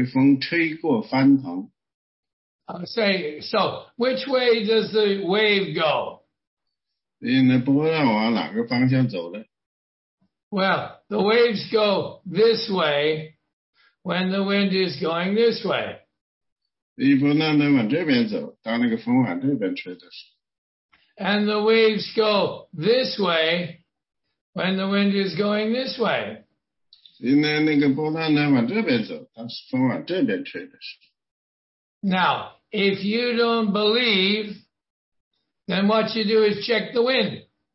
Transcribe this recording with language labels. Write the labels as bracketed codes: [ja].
[zh] 今天就说只要凭着信心求一点不疑惑，因为那疑惑的人就像海中的波浪，被风吹过翻腾。 [en] Say, so which way does the wave go? [zh] 所以那波浪往哪个方向走呢？ [en] Well, the waves go this way when the wind is going this way. [zh] 一波浪能往这边走，当那个风往这边吹的时候。 [en] And the waves go this way when the wind is going this way. [zh] 所以呢，那个波浪呢，往这边走，当时风往这边吹的时候。 [en] If you don't believe, then what you do is check the wind.